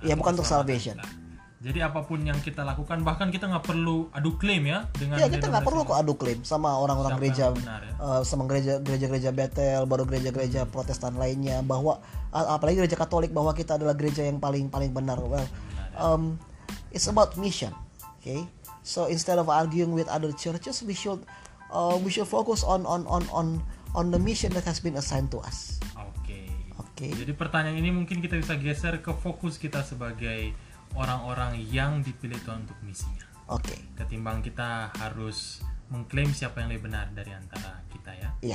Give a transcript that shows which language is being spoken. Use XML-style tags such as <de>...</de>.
<id>Iya, bukan untuk salvation. Jadi apapun yang kita lakukan, bahkan kita nggak perlu adu klaim ya dengan. Iya, kita nggak perlu kok adu klaim sama orang-orang siapa gereja, sama gereja-gereja Bethel, baru gereja-gereja Protestan lainnya, bahwa apalagi gereja Katolik bahwa kita adalah gereja yang paling benar.</id> <en>Well, it's about mission, okay? So instead of arguing with other churches, we should focus on the mission that has been assigned to us. Okay.</en> <id>Jadi pertanyaan ini mungkin kita bisa geser ke fokus kita sebagai orang-orang yang dipilih Tuhan untuk misinya.</id> <en>Okay.</en> <id>Ketimbang kita harus mengklaim siapa yang lebih benar dari antara kita ya.</id>